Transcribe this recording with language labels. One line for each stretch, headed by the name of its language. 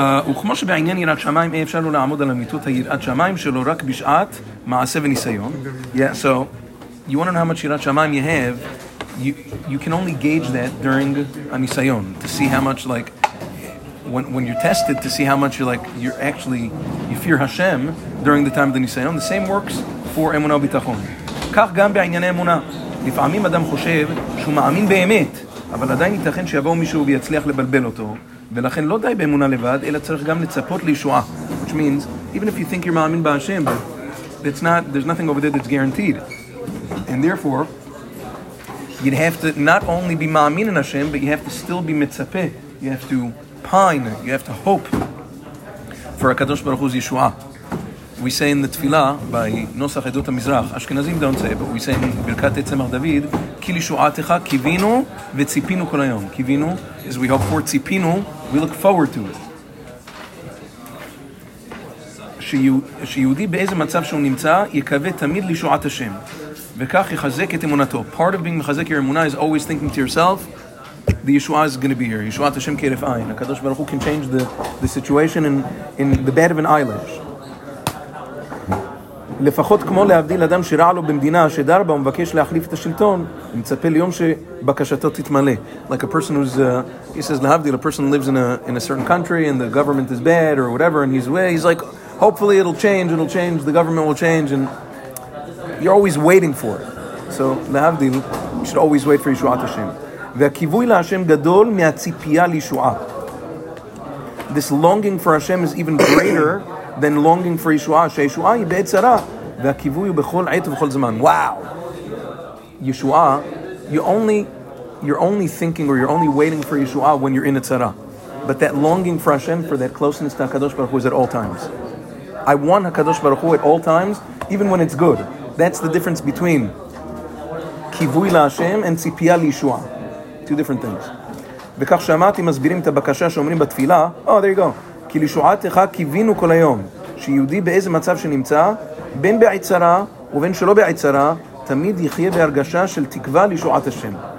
Hebrew: וכמו שבעניין יראת שמיים אי אפשר לו לעמוד על אמיתות היראת שמיים שלו רק בשעת מעשה וניסיון.
English: Yeah, so you want to know how much יראת שמיים you have, you can only gauge that during הניסיון, to see how much, like, when you're tested, to see how much you're, like, you're actually, you fear Hashem during the time of the ניסיון. The same works for אמונה וביטחון.
Hebrew: כך גם בענייני אמונה. לפעמים אדם חושב שהוא מאמין באמת, אבל עדיין ייתכן שיבוא מישהו ויצליח לבלבל אותו. ולכן לא די באמונה לבד, אלא צריך גם לצפות לישועה.
English: Which means, even if you think you're מאמין בהשם, that's not, there's nothing over there that's guaranteed. And therefore, you'd have to not only be מאמין in השם, but you have to still be מצפה. You have to pine, you have to hope for הקדוש ברוך הוא ישועה. We say in the
Hebrew: תפילה, בנוסח עדות המזרח, אשכנזים
English: don't say, but we say in
Hebrew: ברכת צמח דוד, כי לישועתך קיווינו וציפינו כל היום.
English: קיווינו, as we hope for, ציפינו, we look forward to it.
Hebrew: שיהודי באיזה מצב שהוא נמצא, יקווה תמיד לישועת השם, וכך יחזק את אמונתו.
English: Part of being מחזק your אמונה is always thinking to yourself, the Yeshua is going to be here.
Hebrew: ישועת השם כרף עין.
English: הקדוש ברוך הוא can change the situation in the bed of an eyelash.
Hebrew: לפחות כמו להבדיל אדם שרע לו במדינה שדר בה ומבקש להחליף את השלטון, מצפה ליום שבקשתו תתמלא.
English: Like a person who's, he says, להבדיל, a person lives in a certain country and the government is bad or whatever and he's like, hopefully it'll change, the government will change and you're always waiting for it. So להבדיל, you should always wait for ישועת השם.
Hebrew: והכיווי להשם גדול מהציפייה לישועה.
English: This longing for Hashem is even greater than longing for Yeshua,
Hebrew: שהישועה היא בעת צרה, והכיווי הוא בכל עת ובכל זמן.
English: Wow! Yeshua, you're only thinking or you're only waiting for Yeshua when you're in a צרה. But that longing for Hashem, for that closeness to HaKadosh Baruch Hu is at all times. I want HaKadosh Baruch Hu at all times, even when it's good. That's the difference between כיווי להשם and ציפייה לישועה. Two different things.
Hebrew: וכך שמעתי מסבירים את הבקשה שאומרים בתפילה,
English: oh, there you go.
Hebrew: כי לישועתך קיווינו כל היום, שיהודי באיזה מצב שנמצא, בין בעיצרה ובין שלא בעיצרה, תמיד יחיה בהרגשה של תקווה לישועת השם.